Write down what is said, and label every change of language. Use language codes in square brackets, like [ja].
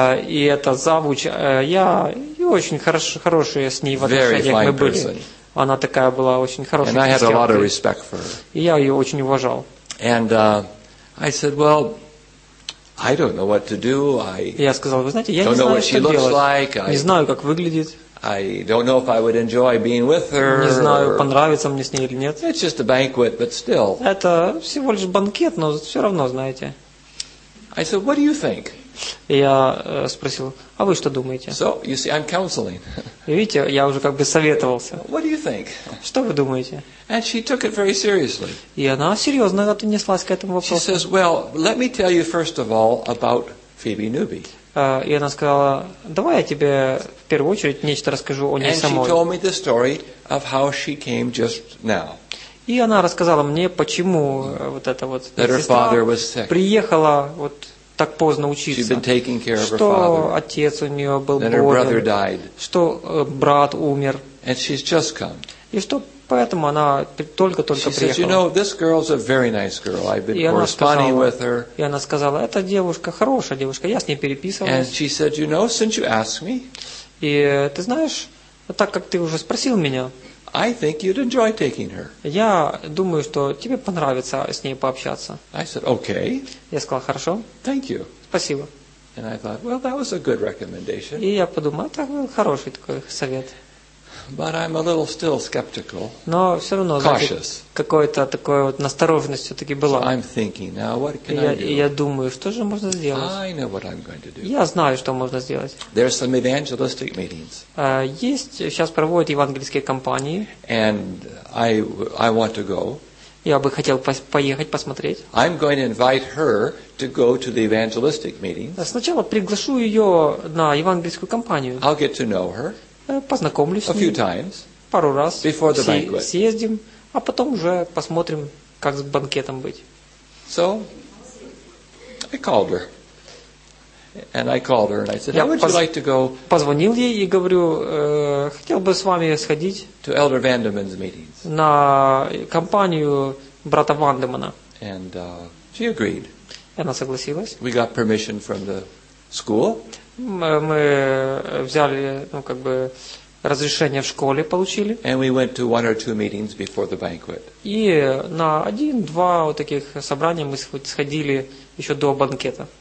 [ru] И эта завуч, я очень хорошая с ней в отношениях мы были. [en] Very fine person. [ru] Она такая была очень хорошая. [en] And I had a lot of respect for her. [ru] И я ее очень уважал. [en] And I said, well, I don't know what to do. I [ru] я сказал, вы знаете, я [en] don't know what she looks [ru] делать. [en] Like. [ru] Не знаю, как выглядит. [en] I don't know if I would enjoy being with her. [ru] Не знаю, понравится мне с ней или нет. [en] It's just a banquet, but still. [ru] Это всего лишь банкет, но все равно, знаете. [en] I said, what do you think? [ru] Я спросил, а вы что думаете? [en] So, you see, I'm counseling. [ru] Видите, я уже как бы советовался. [en] What do you think? [ru] Что вы думаете? [en] And she took it very seriously. [ru] И она серьезно отнеслась к этому вопросу. [en] She says, well, let me tell you first of all about Phoebe Newby. [ru] И она сказала, давай я тебе в первую очередь нечто расскажу о ней самой. [en] And she told me the story of how she came just now. [ru] И она рассказала мне, почему вот эта вот [en] That her father was sick. [ru] Приехала вот так поздно учиться. [en] She'd been taking care of her [ru] что [en] father. [ru] Отец у нее был [en] Then [ru] болен. [en] Her brother died. [ru] Что брат умер. [en] And she's just come. [ru] И что поэтому она только-только [en] She [ru] приехала. [en] Says, you know, this girl's a very nice girl. I've been corresponding [ru] сказала, [en] with her. [ru] И она сказала, эта девушка хорошая девушка, я с ней переписывалась. [en] And she said, you know, since you asked me. [ru] И ты знаешь, так как ты уже спросил меня, [en] I think you'd enjoy taking her. [ru] Я думаю, что тебе понравится с ней пообщаться. [en] I said, okay. [ru] Я сказал, хорошо. [en] Thank you. [ru] Спасибо. [en] And I thought, well, that was a good recommendation. [ru] И я подумал, это хороший такой совет. [en] But I'm a little still skeptical. [ru] Но все равно, [en] cautious. [ru] Какой-то такой вот настороженность все-таки была. [en] So I'm thinking, now what can I do? [ru] Я думаю, что же можно сделать? [en] I know what I'm going to do. [ru] Я знаю, что можно сделать. [en] There are some evangelistic meetings. [ru] Есть, сейчас проводят евангельские кампании. [en] And I want to go. [ru] Я бы хотел поехать посмотреть. [en] I'm going to invite her to go to the evangelistic meetings. [ru] Сначала приглашу ее на евангельскую кампанию. [en] I'll get to know her. [ru] Познакомлюсь [en] a few times, [ru] пару раз, [en] before the banquet. [ru] Съездим, а потом уже посмотрим, как с банкетом быть. [en] So, I called her. And I called her and I said, would you like to go? [ru] Позвонил ей и говорю, хотел бы с вами сходить [en] to Elder Vandeman's meetings. [ru] На компанию брата Вандемана. [en] And she agreed. [ru] Она согласилась. [en] We got permission from the school. [ru] Мы взяли, ну, как бы, разрешение в школе получили. [en] And we went to one or two meetings before the banquet. [ru] И на один-два вот таких собрания мы сходили еще до банкета.